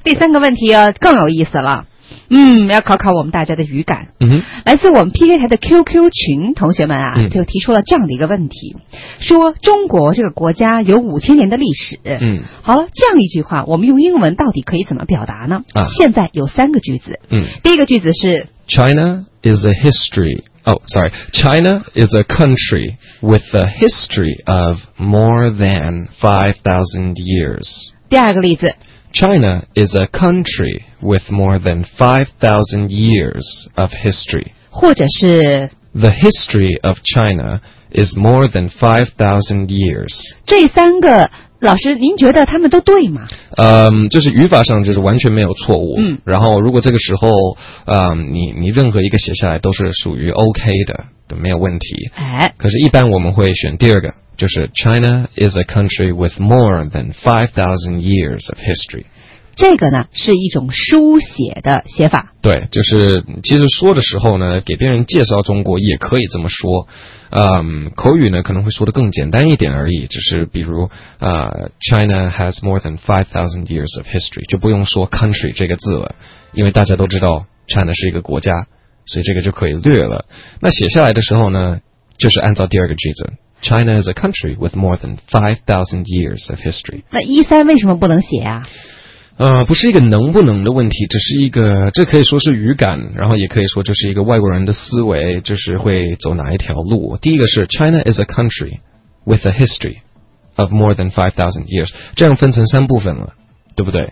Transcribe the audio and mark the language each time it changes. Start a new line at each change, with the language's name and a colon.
Chinese: 第三个问题啊，更有意思了。嗯，要考考我们大家的语感。嗯哼，来自我们 PK 台的 QQ 群同学们啊，就提出了这样的一个问题，说中国这个国家有5000年的历史。嗯，好了，这样一句话，我们用英文到底可以怎么表达呢？啊，现在有三个句子。嗯，第一个句子是
English: China is a history. Oh, sorry, China is a country with a history of more than 5,000 years.
Chinese: 第二个例子。
English: China is a country with more than 5,000 years of history.
Chinese: 或者是
English: The history of China is more than 5,000 years.
Chinese: 这三个老师您觉得他们都对吗？就是语法上就是完全没有错误。嗯，然后如果这个时候你任何一个写下来都是属于 OK 的，都没有问题。哎，可是一般我们会选第二个。就是
English: China is a country with more than 5,000 years of history.
Chinese: 这个呢是一种书写的写法。对，就是其实说的时候呢，给别人介绍中国也可以这么说。口语呢可能会说得更简单一点而已，只是比如
English: China has more than 5,000 years of history,
Chinese: 就不用说 country 这个字了，因为大家都知道 China 是一个国家，所以这个就可以略了。那写下来的时候呢，就是按照第二个句子。
English: China is a country with more than 5,000 years of history.
Chinese: 那一三为什么不能写啊？不是一个能不能的问题，只是一个，这可以说是语感，然后也可以说这是一个外国人的思维，就是会走哪一条路。第一个是
English: China is a country with a history of more than 5,000 years，
Chinese: 这样分成三部分了，对不对？